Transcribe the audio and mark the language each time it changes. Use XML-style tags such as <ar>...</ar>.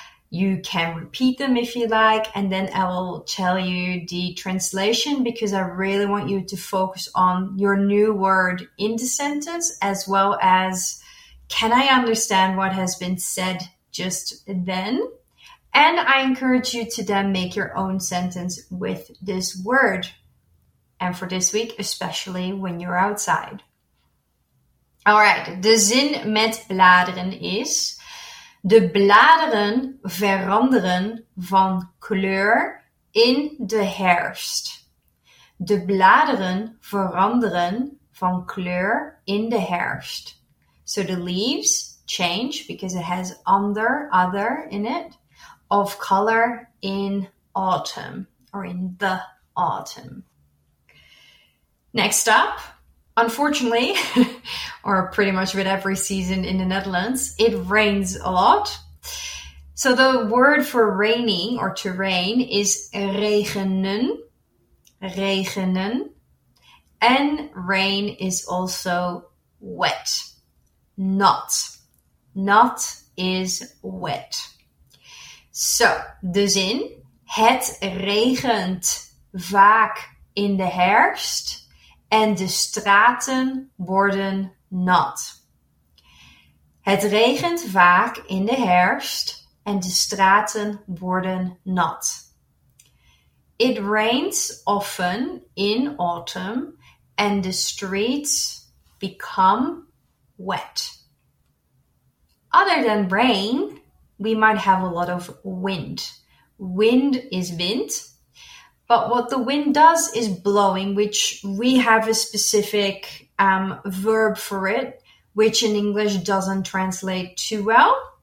<en>You can repeat them if you like, and then I will tell you the translation because I really want you to focus on your new word in the sentence, as well as can I understand what has been said just then? And I encourage you to then make your own sentence with this word. And for this week, especially when you're outside. All right,</en> <nl>de zin met bladeren is: de bladeren veranderen van kleur in de herfst. De bladeren veranderen van kleur in de herfst.</nl> <en>So the leaves change, because it has other in it, of color in autumn, or in the autumn. Next up, unfortunately, or pretty much with every season in the Netherlands, it rains a lot. So the word for raining or to rain is regenen, regenen. And rain is also wet, not. Not is wet.</en> <nl>So, de zin, het regent vaak in de herfst. En de straten worden nat. Het regent vaak in de herfst en de straten worden nat.</nl> <en>It rains often in autumn and the streets become wet. Other than rain, we might have a lot of wind. Wind is wind. But what the wind does is blowing, which we have a specific verb for it, which in English doesn't translate too well.</en>